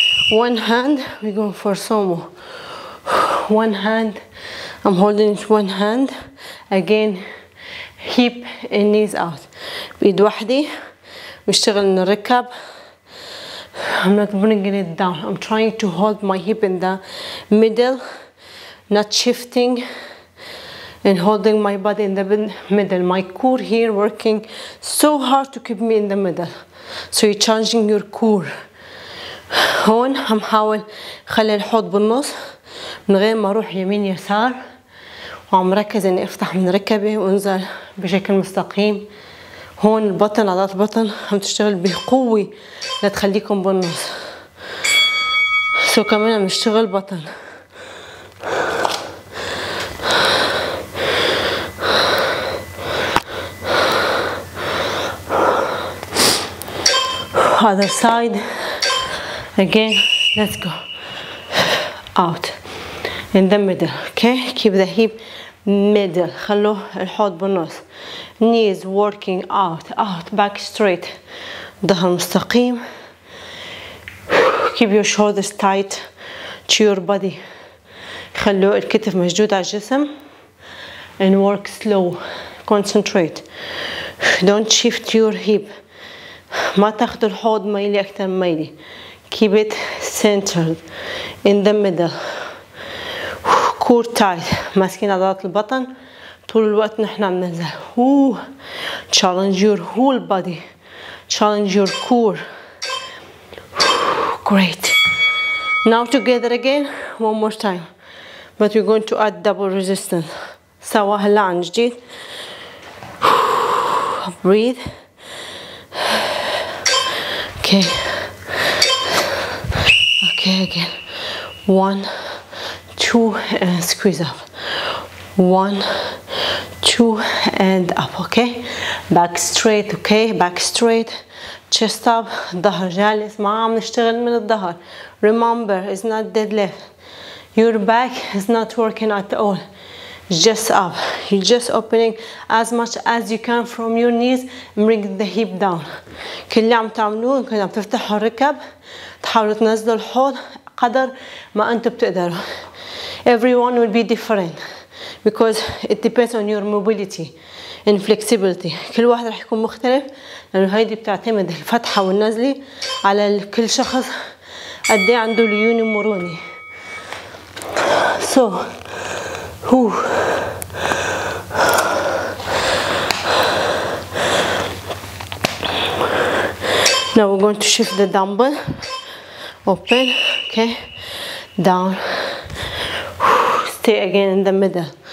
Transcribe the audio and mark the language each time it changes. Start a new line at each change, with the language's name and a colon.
English: One hand, we're going for sumo. One hand, I'm holding it one hand. Again, hip and knees out.
Arabic: بإيد وحدي بشتغل من الركب.
English: I'm not bringing it down. I'm trying to hold my hip in the middle, not shifting, and holding my body in the middle. My core here working so hard to keep me in the middle. So you're changing your core.
Arabic: هون عم حاول خلي الحوض بالنص من غير ما اروح يمين يسار وعم ركز اني افتح من ركبي وانزل بشكل مستقيم. هون البطن عضلات البطن عم تشتغل بقوة لتخليكم بالنص. سو كمان عم يشتغل بطن.
English: Other side. Again, let's go. Out. In the middle. Okay, keep the hip middle.
Arabic: خلو الحوض بالنص.
English: Knees working out, out, back straight.
Arabic: ظهر مستقيم.
English: Keep your shoulders tight to your body.
Arabic: خلو الكتف مشدود على الجسم.
English: And work slow, concentrate. Don't shift your hip.
Arabic: ما تاخذ الحوض ميلي أكثر ميلي.
English: Keep it centered in the middle. Core tight,
Arabic: ماسكين عضلات البطن. طول الوقت نحن عم ننزل.
English: Challenge your whole body. Challenge your core. Great. Now together again. One more time. But we're going to add double resistance.
Arabic: سوا هلا عن جديد.
English: Breathe. Okay. Okay again. One, two, and squeeze up. One, two, and up. Okay, Back straight, okay? Back straight. Chest up.
Arabic: ظهر جالس. ما عم نشتغل من الظهر.
English: Remember, it's not deadlift. Your back is not working at all. Just up. You're just opening as much as you can from your knees. Bring the hip down.
Arabic: كل اللي عم تعملوه كل عم تفتحوا الركب. تحاولوا تنزلوا الحوض قدر ما أنتوا بتقدروا.
English: Everyone will be different because it depends on your mobility and flexibility.
Arabic: كل واحد رح يكون مختلف لأنه هاي دي بتعتمد الفتحة والنزلة على كل شخص قدي عنده ليونة مرونة.
English: So, now we're going to shift the dumbbell. Open, okay, down. Stay again in the middle.